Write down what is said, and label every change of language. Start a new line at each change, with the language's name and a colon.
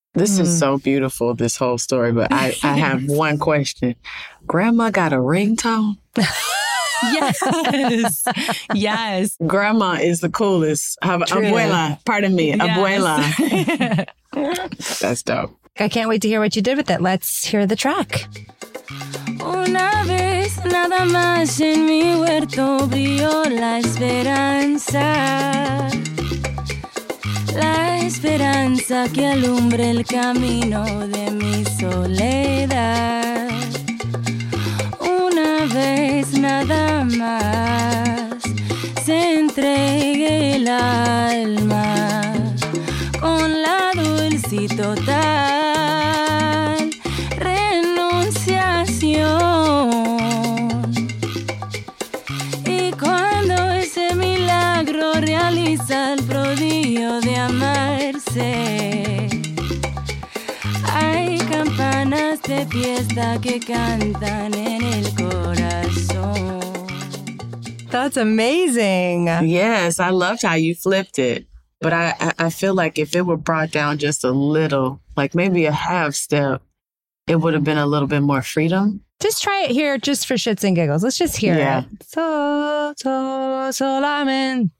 English: This is so beautiful, this whole story. But I have one question. Grandma got a ringtone? Yes. Yes. Grandma is the coolest. Abuela. Pardon me. Yes. Abuela. That's dope. I can't wait to hear what you did with it. Let's hear the track.
Spanish: Una vez nada más en mi huerto vio la esperanza. La esperanza que alumbre el camino de mi soledad. Una vez nada más se entregue el alma con la dulce y total renunciación. Y cuando ese milagro realiza el prodigio de amarse, hay campanas de fiesta que cantan en el corazón.
English: That's amazing. Yes, I loved how you flipped it. But I feel like if it were brought down just a little, like maybe a half step, it would have been a little bit more freedom. Just try it here just for shits and giggles. Let's just hear it. So, so, solamente,